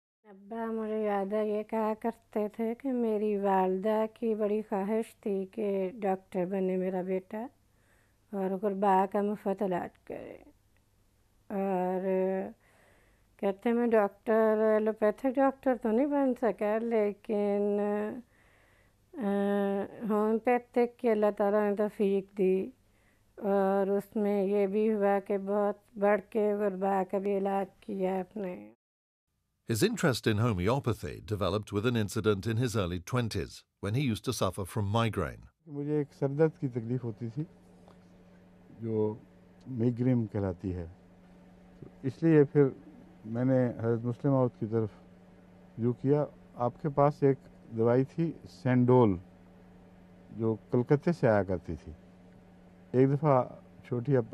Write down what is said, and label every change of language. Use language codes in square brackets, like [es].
[ur] ابا مجھے یاد ہے یہ کہا کرتے تھے کہ میری والدہ کی بڑی خواہش تھی کہ ڈاکٹر بنے میرا بیٹا اور غربا کا مفت علاج کرے اور کہتے ہیں میں ڈاکٹر ایلوپیتھک ڈاکٹر تو نہیں بن سکا لیکن ہومیوپیتھک کی اللہ تعالیٰ نے توفیق دی اور اس میں یہ بھی ہوا کہ بہت بڑھ کے غربا کا بھی علاج کیا اپنے [en] His interest in homeopathy developed with an incident in his early 20s when he used to suffer from migraine. [ur] مجھے ایک سر درد کی تکلیف ہوتی تھی جو میگرین کہلاتی ہے اس لیے پھر میں نے حضرت مسلم موعود کی طرف رجوع کیا آپ کے پاس ایک دوائی تھی سینڈول جو کلکتے سے آیا کرتی تھی ایک دفعہ چھوٹی